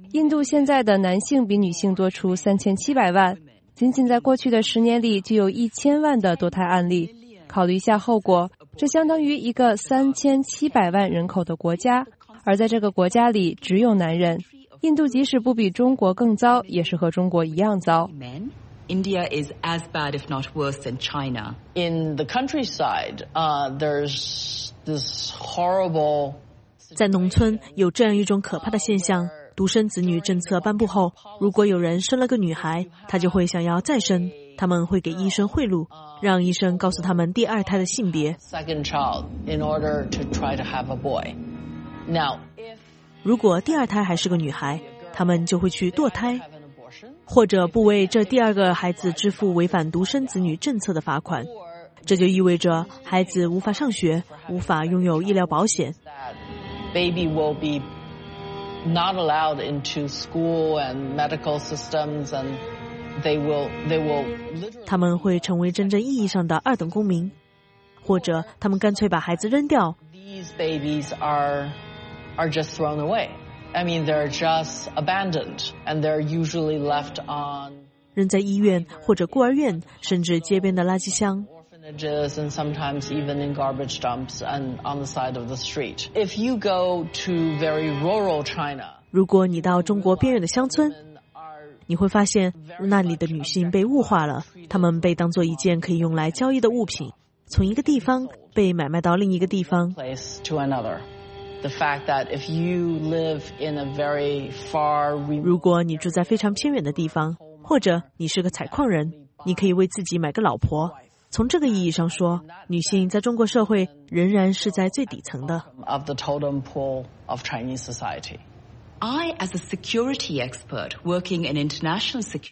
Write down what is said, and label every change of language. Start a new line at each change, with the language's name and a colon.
Chinese: 印度现在的男性比女性多出3700万，仅仅在过去的10年里就有1000万的堕胎案例。考虑一下后果，这相当于一个3700万人口的国家，而在这个国家里只有男人。印度即使不比中国更糟，也是和中国一样糟。
English: India is as bad, if not worse, than China. In the countryside, there's this horrible.
Chinese: 在农村有这样一种可怕的现象：独生子女政策颁布后，如果有人生了个女孩，她就会想要再生。他们会给医生贿赂，让医生告诉他们第二胎的性别。
English: Second child, in order to try to have a boy. Now,
Chinese: 如果第二胎还是个女孩，他们就会去堕胎。或者不为这第二个孩子支付违反独生子女政策的罚款，这就意味着孩子无法上学，无法拥有医疗保险。
English: Baby will be not allowed into school and medical systems, and they will.
Chinese: 他们会成为真正意义上的二等公民，或者他们干脆把孩子扔掉。
English: These babies are just thrown away. I mean, they're just abandoned, and they're usually left on.
Chinese: 扔在医院或者孤儿院，甚至街边的垃圾箱。
English: Orphanages and sometimes even in garbage dumps and on the side of the street. If you go to very rural China,
Chinese: 如果你到中国边远的乡村，你会发现那里的女性被物化了，她们被当作一件可以用来交易的物品，从一个地方被买卖到另一个地方。
English: The fact that if you live in a very far,
Chinese: 如果你住在非常偏远的地方，或者你是个采矿人，你可以为自己买个老婆。从这个意义上说，女性在中国社会仍然是在最底层的。
English: Of the totem pole of Chinese society. I, as a security expert working in international security,